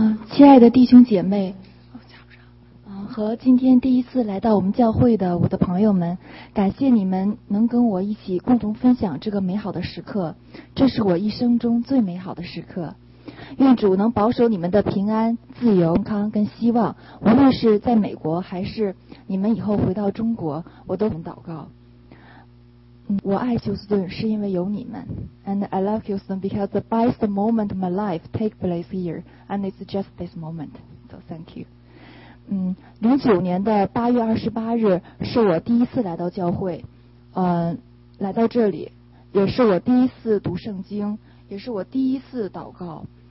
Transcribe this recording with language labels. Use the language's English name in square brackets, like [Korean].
[Chinese] 亲爱的弟兄姐妹和今天第一次来到我们教会的我的朋友们，感谢你们能跟我一起共同分享这个美好的时刻，这是我一生中最美好的时刻。愿主能保守你们的平安、自由、健康跟希望，无论是在美国还是你们以后回到中国，我都很祷告。我爱休斯顿是因为有你们。 [English] And I love Houston because the best moment of my life take place here and it's just this moment. So thank you. [Chinese] 09年的8月28日是我第一次来到教会，来到这里也是我第一次读圣经，也是我第一次祷告。